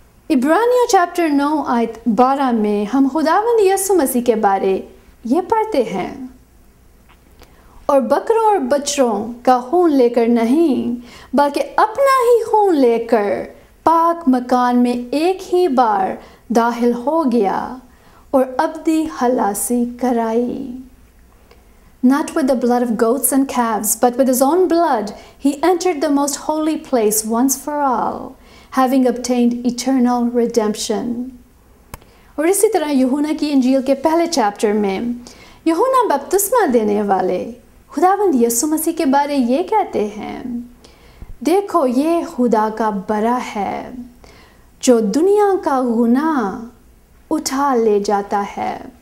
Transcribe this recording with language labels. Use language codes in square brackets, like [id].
[ur] عبرانیوں chapter 9:12 میں ہم خداوند یسوع مسیح کے بارے یہ پڑھتے ہیں اور بکروں اور بچروں کا خون لے کر نہیں بلکہ اپنا ہی خون لے کر پاک مکان میں ایک ہی بار داخل ہو گیا اور ابدی خلاصی کرائی. [en] Not with the blood of goats and calves, but with his own blood, he entered the most holy place once for all, having obtained eternal redemption. [ur] اور اسی طرح یوحنا کی انجیل کے پہلے چیپٹر میں یوحنا بپتسمہ دینے والے خداوند یسوع مسیح کے بارے یہ کہتے ہیں دیکھو یہ خدا کا برا ہے جو دنیا کا گناہ اٹھا لے جاتا ہے.